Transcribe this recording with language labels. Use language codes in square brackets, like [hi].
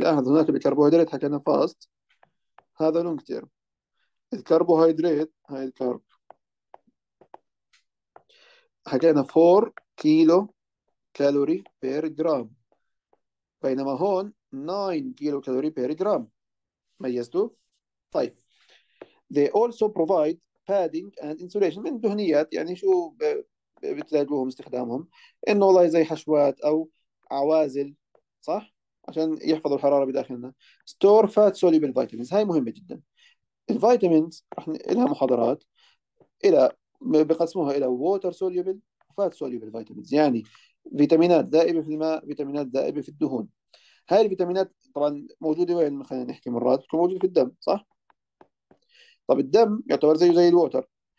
[ar] لاحظ هناك بالكربوهيدرات حكينا فاست، هذا لونج تيرم. الكربوهيدرات هاي الكارب حكينا 4 كيلو كالوري بير جرام، بينما هون 9 كيلو كالوري بير جرام. ميزته؟ طيب [en] they also provide padding and insulation. [ar] من الدهنيات يعني شو بتلاقوهم استخدامهم؟ انه والله زي حشوات او عوازل صح؟ عشان يحفظوا الحراره بداخلنا. [en] store fat soluble vitamins، [ar] هاي مهمه جدا. الفيتامينز رح لها محاضرات، الى بقسموها الى water soluble فات سوليبل فيتامينز، يعني فيتامينات ذائبه في الماء، فيتامينات ذائبه في الدهون. هاي الفيتامينات طبعا موجوده وين؟ خلينا نحكي مرات بتكون موجوده في الدم صح؟ طب الدم يعتبر زيه زي الووتر،